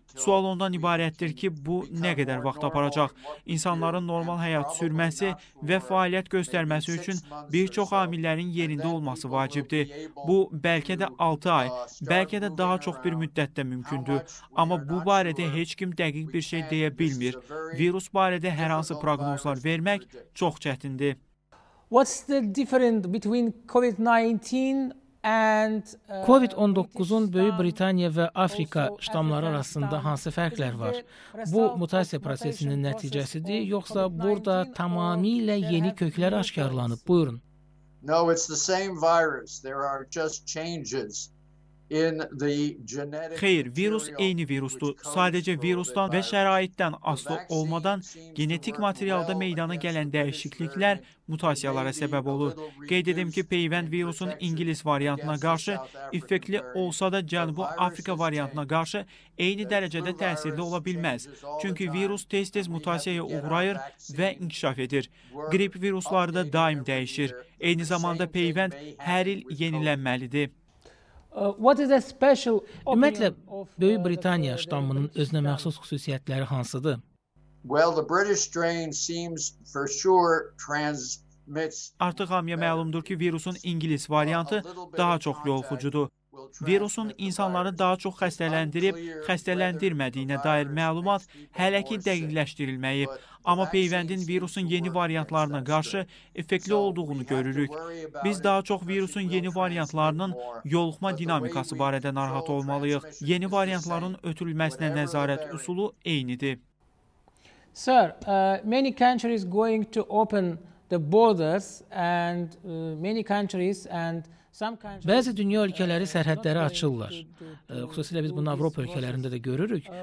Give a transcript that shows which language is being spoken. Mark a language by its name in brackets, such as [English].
[Azerbaijani] Sual ondan ibarətdir ki, bu nə qədər vaxt aparacaq? İnsanların normal həyat sürməsi və fəaliyyət göstərməsi üçün bir çox amillərin yerində olması vacibdir. Bu, bəlkə də 6 ay, bəlkə də daha çox bir müddətdə mümkündür. Amma bu barədə heç kim dəqiq bir şey deyə bilmir. Virus barədə hər hansı proqnozlar vermək çox çətindir. [English] What's the difference between COVID-19 [Azerbaijani] COVID-19'un Böyük Britaniya və Afrika ştamları arasında hansı fərqlər var? Bu mutasiya prosesinin nəticəsidir, yoxsa burada tamamilə yeni köklər aşkarlanıb? Buyurun. [English] No, it's the same virus. There are just changes in the genetic. [Azerbaijani] Xeyr, virus eyni virusdur. Sadəcə virusdan və şəraitdən asılı olmadan genetik materialda meydana gələn dəyişikliklər mutasiyalara səbəb olur. Qeyd edim ki, peyvənd virusun İngiliz variantına qarşı effektli olsa da Cənubi Afrika variantına qarşı eyni dərəcədə təsirli ola bilməz. Çünki virus tez-tez mutasiyaya uğrayır və inkişaf edir. Qrip virusları da daim dəyişir. Eyni zamanda peyvənd hər il yenilənməlidir. [English] What is a special [Azerbaijani] Ümumiyyətlə, Böyük Britaniya ştamının özünə məxsus xüsusiyyətləri hansıdır? [English] Well, the British strain seems for sure transmits. [Azerbaijani] Artıq hamıya məlumdur ki, virusun İngiliz variantı daha çox yoluxucudur. Virusun insanları daha çox xəstələndirib, xəstələndirmədiyinə dair məlumat hələ ki dəqiqləşdirilməyib. Amma peyvəndin virusun yeni variantlarına qarşı effektli olduğunu görürük. Biz daha çox virusun yeni variantlarının yoluxma dinamikası barədə narahat olmalıyıq. Yeni variantların ötürülməsinə nəzarət üsulu eynidir. [English] Sir, many countries going to open the borders and many countries and [Azerbaijani] Bəzi dünya ölkələri sərhədləri açırlar. Xüsusilə biz bunu Avropa ölkələrində də görürük.